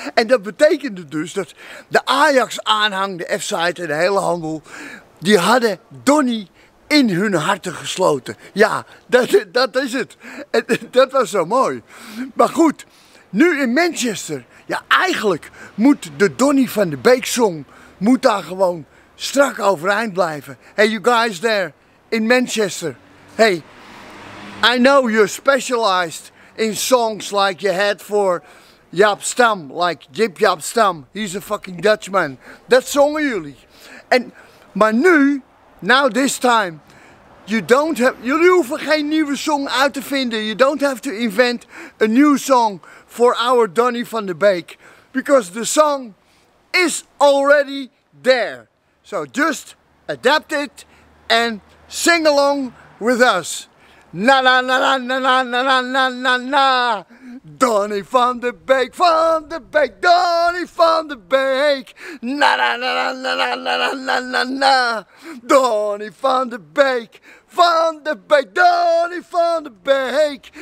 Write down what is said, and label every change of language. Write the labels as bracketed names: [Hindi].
[Dutch] En dat betekende dus dat de Ajax-aanhang, de F-site en de hele handel, die hadden Donnie in hun harten gesloten. Ja, dat is het. En dat was zo mooi. Maar goed, nu in Manchester. Ja, eigenlijk moet de Donnie van de Beek-song moet daar gewoon strak overeind blijven. [English] Hey, you guys there in Manchester. Hey, I know you're specialized in songs like you had for Jaap Stam. Like Jip Jaap Stam. He's a fucking Dutchman. [Dutch] Dat zongen jullie. En... Maar nu, [English] now this time, [Dutch] jullie hoeven geen nieuwe song uit te vinden. [English] You don't have to invent a new song for our Donnie van de Beek. Because the song is already there. So just adapt it and sing along with us. Na na na na na na na na na na na. Donnie van de Beek, van de Beek, Donnie van de Beek. Na na na na na na na na na na na. Donnie van de Beek, van de Beek, Donnie van de Beek.